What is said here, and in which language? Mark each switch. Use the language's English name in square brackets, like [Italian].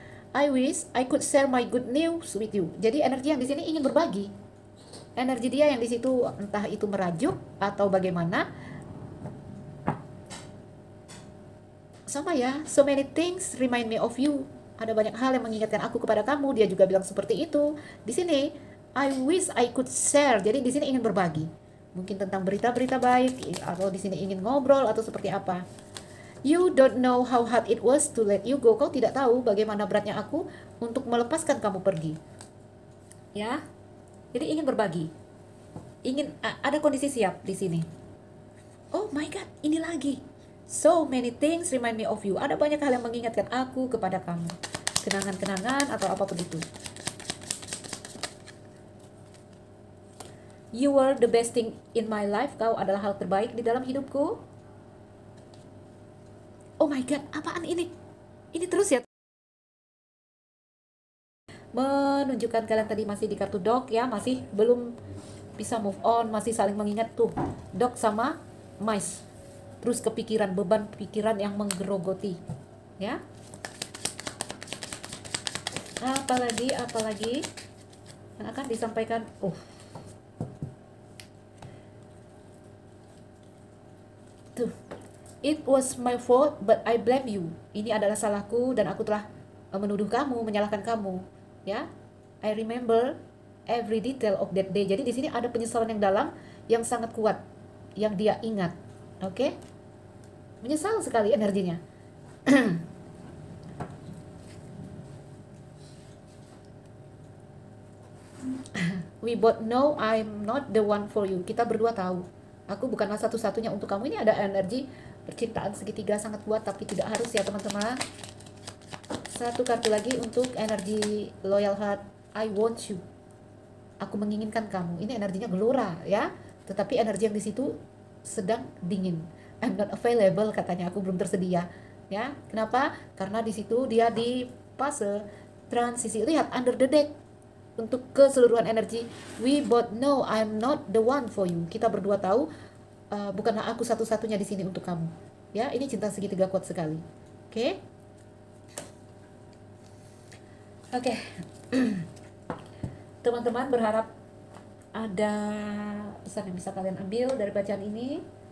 [English] I wish I could share my good news with you. [Indonesian] Jadi energi yang di sini ingin berbagi. Energi dia yang di situ entah itu merajuk atau bagaimana. Sama ya, [English] so many things remind me of you. [Indonesian] Ada banyak hal yang mengingatkan aku kepada kamu. Dia juga bilang seperti itu. Di sini, [English] I wish I could share. [Indonesian] Jadi di sini ingin berbagi. Mungkin tentang berita-berita baik atau di sini ingin ngobrol atau seperti apa. [English] You don't know how hard it was to let you go. [Indonesian] Kau tidak tahu bagaimana beratnya aku untuk melepaskan kamu pergi. Ya. Jadi ingin berbagi. Ingin ada kondisi siap di sini. [English] Oh my god, [Indonesian] ini lagi. [English] So many things remind me of you. [Indonesian] Ada banyak hal yang mengingatkan aku kepada kamu. Kenangan-kenangan atau apapun itu. [English] You were the best thing in my life. [Indonesian] Kau adalah hal terbaik di dalam hidupku. [English] Oh my god, [Indonesian] apaan ini? Ini terus ya? Menunjukkan kalian tadi masih di kartu dog ya, masih belum bisa move on, masih saling mengingat tuh. Dog sama mice. Terus kepikiran, beban pikiran yang menggerogoti. Ya. Apalagi yang akan disampaikan. Tuh. [English] It was my fault, but I blame you. [Indonesian] Ini adalah salahku dan aku telah menuduh kamu, menyalahkan kamu, ya. [English] I remember every detail of that day. [Indonesian] Jadi di sini ada penyesalan yang dalam yang sangat kuat yang dia ingat. Oke? Menyesal sekali energinya. [English] We both know I'm not the one for you. [Indonesian] Kita berdua tahu. Aku bukanlah satu-satunya untuk kamu. Ini ada energi percintaan segitiga sangat kuat, tapi tidak harus ya teman-teman. Satu kartu lagi untuk energi loyal heart. [English] I want you. [Indonesian] Aku menginginkan kamu. Ini energinya gelora ya. Tetapi energi yang di situ sedang dingin. [English] I'm not available [Indonesian] katanya. Aku belum tersedia. Ya, kenapa? Karena di situ dia di fase transisi. Lihat under the deck untuk keseluruhan energi. [English] We both know I'm not the one for you. [Indonesian] Kita berdua tahu. Bukanlah aku satu-satunya di sini untuk kamu. Ya, ini cinta segitiga kuat sekali. Oke? [English] Okay? Oke. Okay. [Indonesian] Teman-teman berharap ada pesan yang bisa kalian ambil dari bacaan ini.